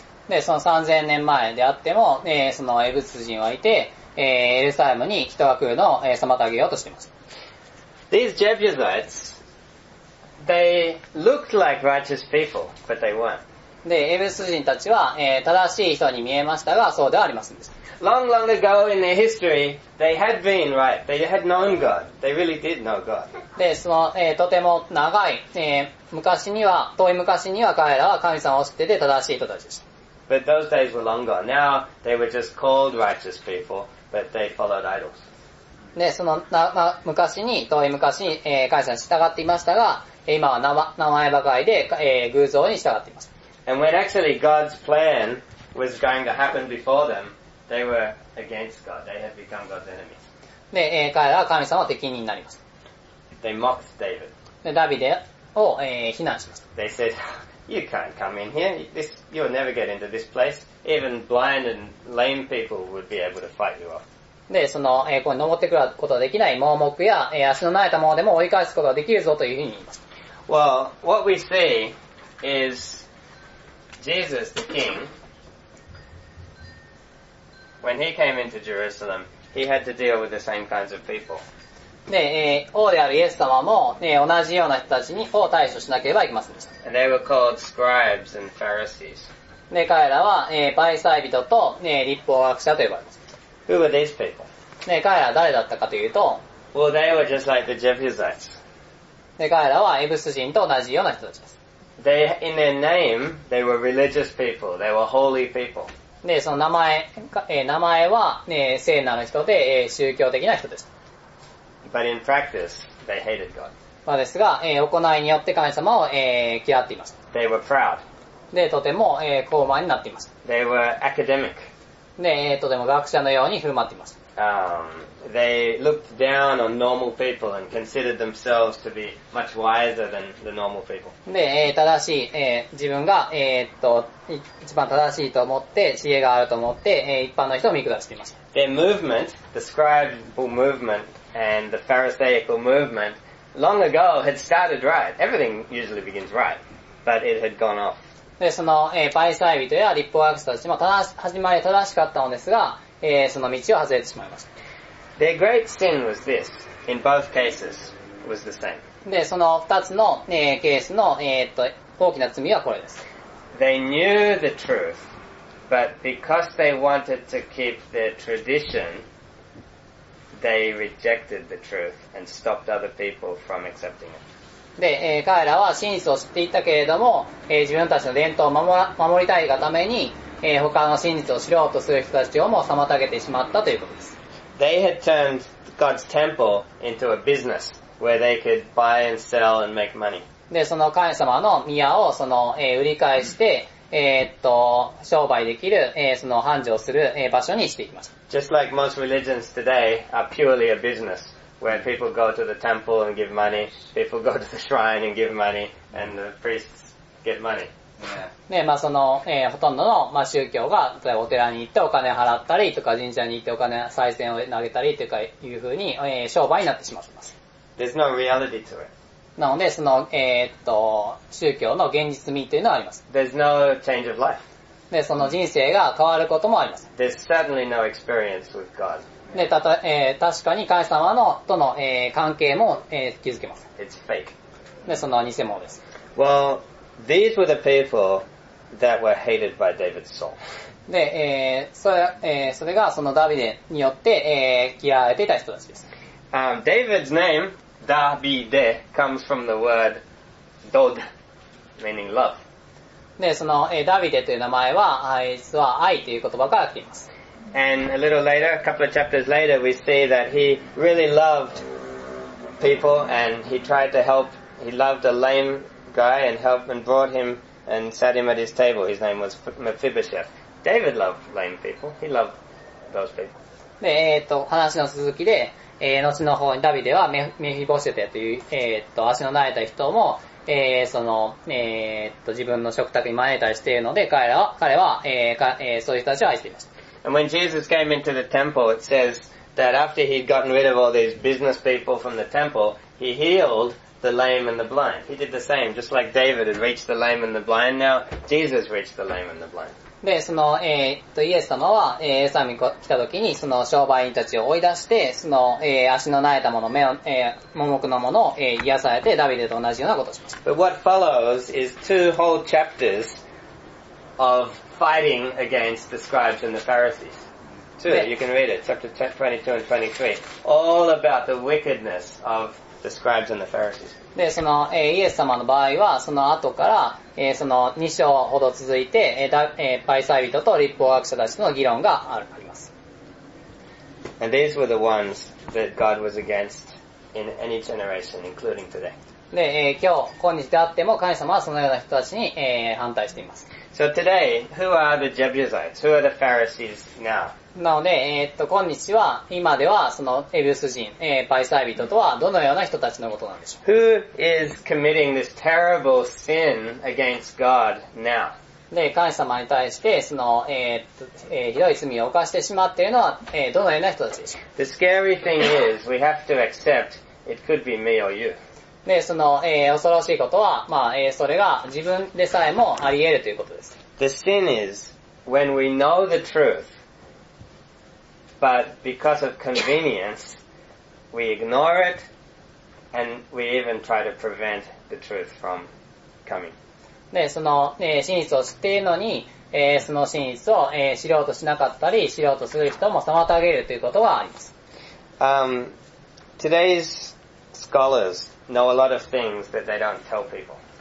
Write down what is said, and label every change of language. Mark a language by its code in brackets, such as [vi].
[ja] で、その3000年前であっても、そのエブス人はいて、エルサレムに人が来るのを妨げようとしています。 [en] These Jebusites, They looked like righteous people, but they weren't. [ja] で、エベス人たちは、正しい人に見えましたが、そうではありませんでした。 [en] Long, long ago in their history, they had been right. They had known God. They really did know God. [ja] で、その、とても長い、昔には、遠い昔には彼らは神様を知ってて正しい人たちでした。 [en] But those days were long gone. Now, they were just called righteous people, but they followed idols. [ja] で、その、昔に、遠い昔に、神様に従っていましたが、今は名前ばかりで、偶像に従っています。 [en] And when actually God's plan was going to happen before them, they were against God. They had become God's enemies. [ja] で、彼らは神様の敵人になりました。 [en] They mocked David. [ja] で、ダビデを、非難しました。 [en] They said, you can't come in here. This, you'll never get into this place. Even blind and lame people would be able to fight you off. [ja] で、その、ここに登ってくることはできない盲目や、足のない者でも追い返すことができるぞというふうに言いました。 [en] Well, what we see is,Jesus, the King, when he came into Jerusalem, he had to deal with the same kinds of people. [ja] で、王であるイエス様も、同じような人たちに対処しなければいけませんでした。 [en] And they were called scribes and Pharisees. [ja] で、彼らは、パリサイ人と、立法学者と呼ばれます。 [en] Who were these people? [ja] で、彼らは誰だったかというと、 [en] Well, they were just like the Jebusites. [ja] で、彼らはエブス人と同じような人たちです。 [en] They, in their name, they were religious people. They were holy people. [ja] で、その名前は、聖なる人で、宗教的な人です。 [en] But in practice, they hated God. [ja] まあですが、行いによって神様を、嫌っています。 [en] They were proud. [ja] で、とても、高慢になっています。 [en] They were academic. [ja] で、とても学者のように振る舞っています。 [en] They looked down on normal people and considered themselves to be much wiser than the normal people. [ja] で、正しい、自分が、一番正しいと思って、知恵があると思って、一般の人を見下していました。 [en] Their movement, the scribal movement and the pharisaical movement, long ago had started right. Everything usually begins right, but it had gone off. [ja] で、その、パリサイ人や立法学者たちも始まり正しかったのですが、その道を外れてしまいました。 [en] Their great sin was this, in both cases, was the same. [ja] で、その二つの、ケースの、大きな罪はこれです。 [en] They knew the truth, but because they wanted to keep their tradition, they rejected the truth and stopped other people from accepting it. [ja] で、彼らは真実を知っていたけれども、自分たちの伝統を守りたいがために、他の真実を知ろうとする人たちをも妨げてしまったということです。 [en] They had turned God's temple into a business where they could buy and sell and make money. [ja] で、その神様の宮をその、売り返して、商売できる、その繁盛する、場所にしていきました。 [en] Just like most religions today are purely a business where people go to the temple and give money, people go to the shrine and give money, and the priests get money. [ja] で、まあ、その、ほとんどの、まあ、宗教が、例えばお寺に行ってお金払ったりとか、神社に行ってお金、賽銭を投げたりとかいうふうに、商売になってしまっています。 [en] There's no reality to it. [ja] なので、その、宗教の現実味というのはあります。 [en] There's no change of life. [ja] で、その人生が変わることもあります。 [en] There's certainly no experience with God. [ja] で、確かに神様のとの、関係も、築けません。 [en] It's fake. [ja] で、その偽物です。 [en] Well,These were the people that were hated by David's soul. [ja] で、それがそのダビデによって、嫌われていた人たちです。 [en] David's name, Davide, comes from the word dod, meaning love. [ja] で、その、ダビデという名前は、実は愛という言葉から来ています。 [en] And a little later, a couple of chapters later, we see that he really loved people and he tried to help, he loved a lame guy and helped and brought him and sat him at his table. His name was Mephibosheth. David loved lame people. He loved those people. [ja] で、話の続きで、後の方にダビデはメフィボシェテという、足の慣れた人も、その、自分の食卓に招いたりしているので、彼は、そういう人たちを愛していました。 [en] And when Jesus came into the temple, it says that after he'd gotten rid of all these business people from the temple, he healed the lame and the blind. He did the same, just like David had reached the lame and the blind. Now, Jesus reached the lame and the blind. [ja] で、その、イエス様は、エルサレムに来た時に、その商売人たちを追い出して、その、足の苗たもの、目を、盲目のものを、癒されて、ダビデと同じようなことをしました。 [en] But what follows is two whole chapters of fighting against the scribes and the Pharisees. Two, you can read it, chapter 22 and 23. All about the wickedness of the scribes and the Pharisees. [ja] で、その、イエス様の場合は、その後から、その2章ほど続いて、パリサイ人と律法学者たちとの議論があります。 [en] And these were the ones that God was against in any generation, including today. [ja] で、今日、今日であっても、神様はそのような人たちに、反対しています。 [en] So today, who are the Jebusites? Who are the Pharisees now? [ja] なので、今日は、今では、その、エブス人、パリサイ人とは、どのような人たちのことなんでしょう。 [en] Who is committing this terrible sin against God now? [ja] で、神様に対して、その、ひどい罪を犯してしまっているのは、どのような人たちでしょう。 [en] The scary thing is, we have to accept it could be me or you. [ja] で、その、恐ろしいことは、まあ、それが自分でさえもあり得るということです。 [en] The sin is, when we know the truth,But because of convenience, we ignore it, and we even try to prevent the truth from coming. [ja] で、その、真実を知っているのに、その真実を、知ろうとしなかったり、知ろうとする人も妨げるということがあります。 [en] Today's scholars know a lot of things that they don't tell people.